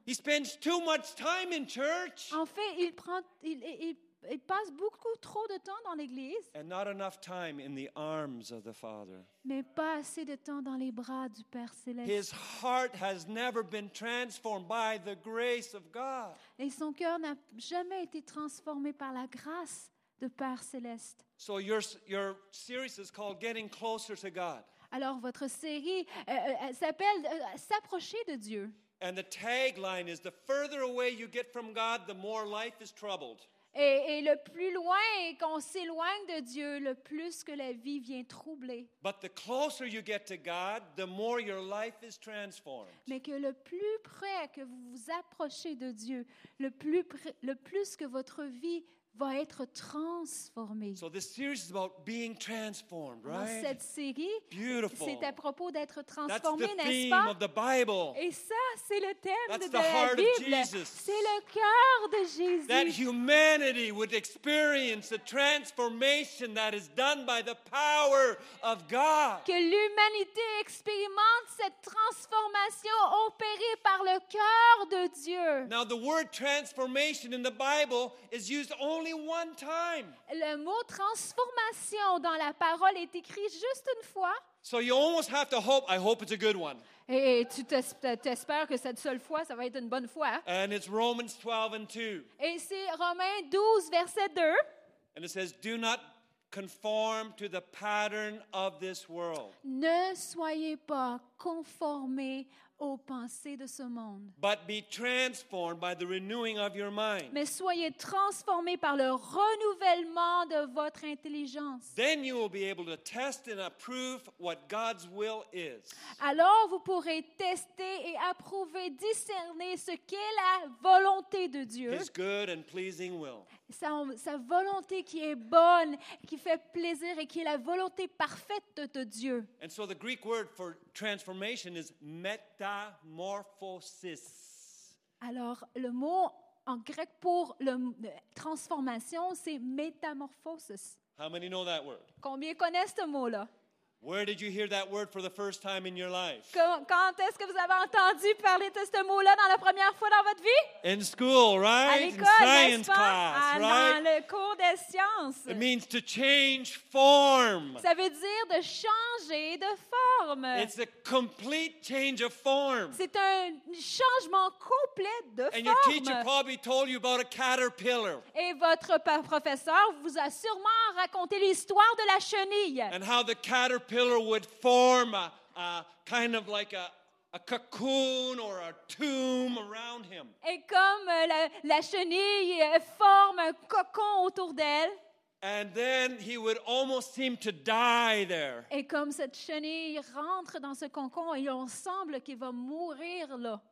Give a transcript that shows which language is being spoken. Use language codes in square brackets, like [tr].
[en] He spends too much time in church. [fr] En fait, il passe beaucoup trop de temps dans l'église. [en] And not enough time in the arms of the Father. [fr] Mais pas assez de temps dans les bras du Père céleste. [en] His heart has never been transformed by the grace of God. [fr] Et son cœur n'a jamais été transformé par la grâce de Père céleste. [en] So your series is called Getting Closer to God. [fr] Alors votre série s'appelle S'approcher de Dieu. [en] And the tagline is the further away you get from God, the more life is troubled. [fr] Et le plus loin qu'on s'éloigne de Dieu, le plus que la vie vient troubler. [en] But the closer you get to God, the more your life is transformed. [fr] Mais que le plus près que vous vous approchez de Dieu, le plus que votre vie va être transformée. [en] So this series is about being transformed, right? [fr] Dans cette série, [en] beautiful. [fr] C'est à propos d'être transformé, [en] that's the [fr] n'est-ce [en] theme [fr] pas? [en] Of the Bible. [fr] Et ça, c'est le thème [en] that's [fr] de [en] the heart [fr] la Bible. [en] Of Jesus. [fr] C'est le cœur de Jésus. [en] That humanity would experience the transformation that is done by the power of God. [fr] Que l'humanité expérimente cette transformation opérée par le cœur de Dieu. [en] Now the word transformation in the Bible is used only one time. [fr] Le mot transformation dans la parole est écrit juste une fois. [en] So you almost have to hope, I hope it's a good one. [fr] Et tu t'espères que cette seule fois, ça va être une bonne fois. [en] And it's Romans 12 and 2. [fr] Et c'est Romains 12, verset 2. [en] And it says, do not conform to the pattern of this world. [fr] Ne soyez pas conformés aux pensées de ce monde. [en] But be transformed by the renewing of your mind. [fr] Mais soyez transformés par le renouvellement de votre intelligence. [en] Then you will be able to test and approve what God's will is. [fr] Alors vous pourrez tester et approuver, discerner ce qu'est la volonté de Dieu. [en] His good and pleasing will. [fr] Sa volonté qui est bonne, qui fait plaisir et qui est la volonté parfaite de Dieu. [en] And so the Greek word for transformation is metamorphosis. [fr] Alors le mot en grec pour la transformation, c'est metamorphosis. [en] How many know that word? [fr] Combien connaissent ce mot-là? [en] Where did you hear that word for the first time in your life? [fr] Quand est-ce que vous avez entendu parler de ce mot-là dans la première fois dans votre vie? [en] In school, right? [fr] À l'école, [en] in science class, right? [fr] Dans le cours des sciences. [en] It means to change form. [fr] Ça veut dire de changer de forme. [en] It's a complete change of form. [fr] C'est un changement complet de [en] And [fr] forme. [en] Your teacher probably told you about a caterpillar. [fr] Et votre professeur vous a sûrement raconté l'histoire de la chenille. [en] And how the caterpillar would form a kind of like a cocoon or a tomb around him. [fr] Et comme la chenille forme un cocon autour d'elle. [en] And then he would almost seem to die there. [fr] Et comme cette chenille rentre dans ce cocon, il en semble qu'il va mourir là.